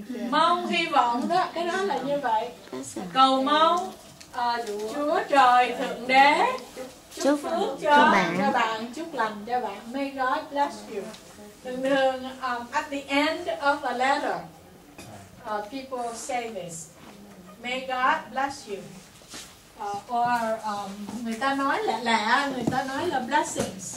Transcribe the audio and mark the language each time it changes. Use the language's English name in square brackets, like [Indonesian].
[Vietnamese] Mong hy vọng đó, cái đó là như vậy. Cầu mong Chúa Trời Thượng Đế chúc phước cho bạn, chúc lành cho bạn. [English] May God bless you. Thường at the end of a letter, people say this. May God bless you. [Vietnamese] Or người ta nói lẹ, người ta nói là blessings.